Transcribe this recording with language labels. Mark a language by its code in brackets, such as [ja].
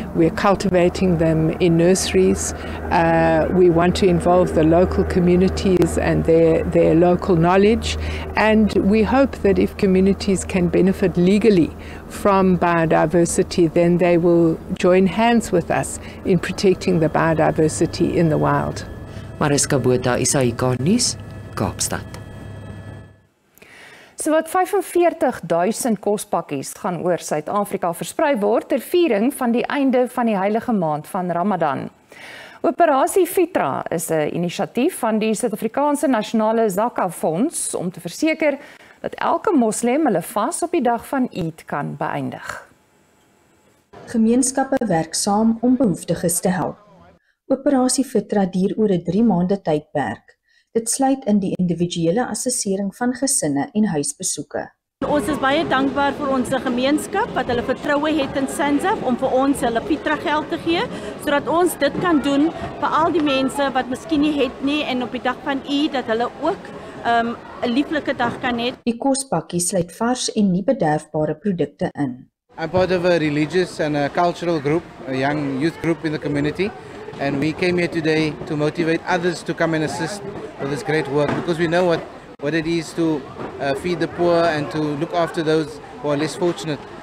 [en] We're cultivating them in nurseries. We want to involve the local communities and their local knowledge. And we hope that if communities can benefit legally from biodiversity, then they will join hands with us in protecting the biodiversity in the wild. [af] Mariska Botha, Isaacar News, Kaapstad. So wat 45,000 kospakkies gaan oor Suid-Afrika versprei word ter viering van die einde van die heilige maand van Ramadan. Operasie Fitra is 'n inisiatief van die Suid-Afrikaanse Nasionale Zakka Fonds om te verseker dat elke moslim hulle vas op die dag van Eid kan beëindig. Gemeenskappe werk saam om behoeftiges te help. Operasie Fitra duur oor 'n 3 maande tydperk. Dit sluit in die individuele assessering van gesinne en huisbesoeke. Ons is baie dankbaar vir ons gemeenskap wat hulle vertroue het in SANZAF om vir ons hulle Pietra geld te gee sodat ons dit kan doen vir al die mense wat miskien nie het nie en op die dag van U dat hulle ook 'n lieflike dag kan hê. Die kospakkie sluit vars en nie bederfbare produkte in. [en] I'm part of a religious and a cultural group, a young youth group in the community, and we came here today to motivate others to come and assist with this great work because we know what it is to feed the poor and to look after those who are less fortunate.